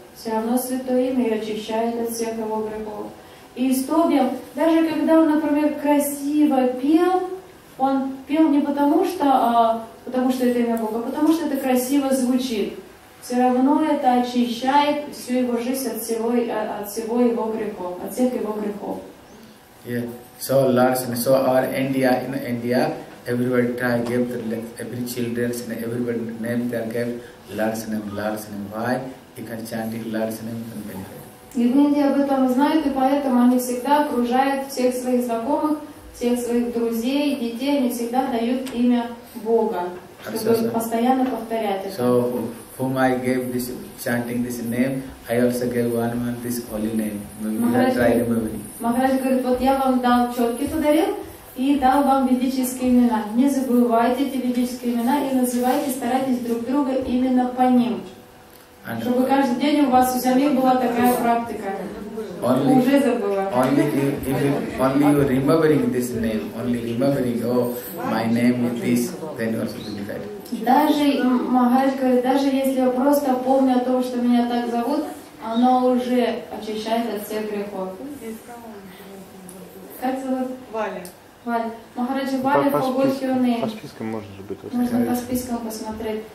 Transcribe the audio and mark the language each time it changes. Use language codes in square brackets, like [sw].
[ru] Все равно святое имя и очищает от всех его грехов. И Стобиан, даже когда он, например, красиво пел, он пел не потому что это имя Бога, а потому что это красиво звучит. Все равно это очищает всю его жизнь от всего его грехов, от всех его грехов. [en] Yeah. So Lord, so our India, in India, everybody try give the every children's and everybody name their gift, Lord's name. Why? You can chant it Lord's name and benefit. [ru] И в Индии об этом знают, и поэтому они всегда окружают всех своих знакомых, всех своих друзей, детей, они всегда дают имя Бога, чтобы постоянно повторять это. [en] So, whom I gave this chanting this name, I also gave one month this holy name. [ru] Махарадж говорит, вот я вам дал четки подарил и дал вам ведические имена. Не забывайте эти ведические имена и называйте, старайтесь друг друга именно по ним. And чтобы каждый день у вас у самих была такая практика. [en] Only, [ru] уже забыла. [en] Only you remembering this name, only remembering, oh, my name is this, then you also will be that. [ru] Даже, Махарадж говорит, даже если я просто помню о том, что меня так зовут, оно уже очищает от всех грехов. Как зовут? Валя. Махараджи, Валя по больше у нее. По спискам можно же быть. Можно по спискам посмотреть.